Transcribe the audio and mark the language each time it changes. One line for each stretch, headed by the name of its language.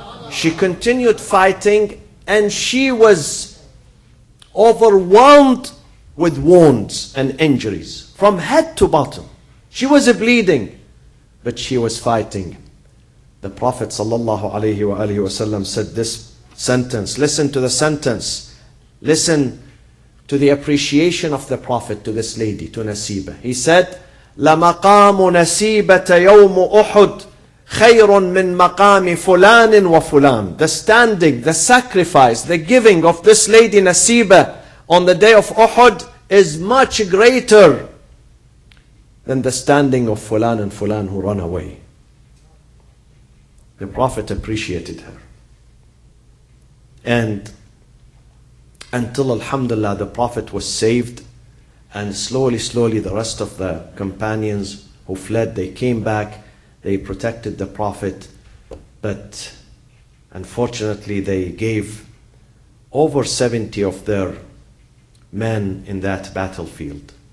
English: She continued fighting and she was overwhelmed with wounds and injuries from head to bottom. She was bleeding, but she was fighting. The Prophet sallallahu alayhi wa sallam said this sentence. Listen to the sentence. Listen to the appreciation of the Prophet to this lady, to Nasiba. He said,
Arabic: لَمَقَامُ نَسِيبَةَ يَوْمُ أُحُدْ خَيْرٌ مِّن مَقَامِ فُلَانٍ وَفُلَانٍ.
English: The standing, the sacrifice, the giving of this lady Nasiba on the day of Uhud is much greater than the standing of Fulan and Fulan who run away. The Prophet appreciated her. And until Alhamdulillah, the Prophet was saved, and slowly, slowly, the rest of the companions who fled, they came back, they protected the Prophet, but unfortunately, they gave over 70 of their men in that battlefield.